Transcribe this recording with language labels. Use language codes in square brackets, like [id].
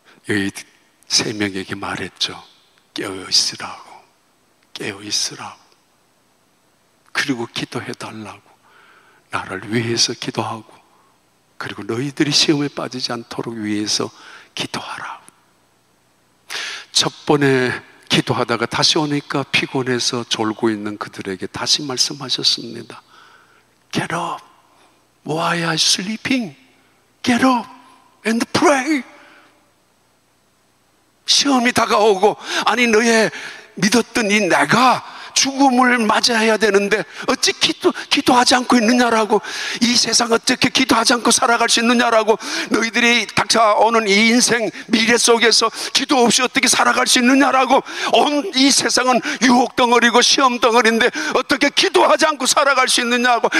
[ko] 여기 세 명에게 말했죠. 깨어있으라고, 깨어있으라고, 그리고 기도해달라고, 나를 위해서 기도하고, 그리고 너희들이 시험에 빠지지 않도록 위해서 기도하라고. 첫 번에 기도하다가 다시 오니까 피곤해서 졸고 있는 그들에게 다시 말씀하셨습니다. [en] Get up, why are you sleeping? Get up and pray. [ko] 시험이 다가오고, 아니 너의 믿었던 이 내가 죽음을 맞이해야 되는데 어찌 기도하지 않고 있느냐라고, 이 세상 어떻게 기도하지 않고 살아갈 수 있느냐라고, 너희들이 닥쳐오는 이 인생 미래 속에서 기도 없이 어떻게 살아갈 수 있느냐라고, 온 이 세상은 유혹 덩어리고 시험 덩어리인데 어떻게 기도하지 않고 살아갈 수 있느냐고.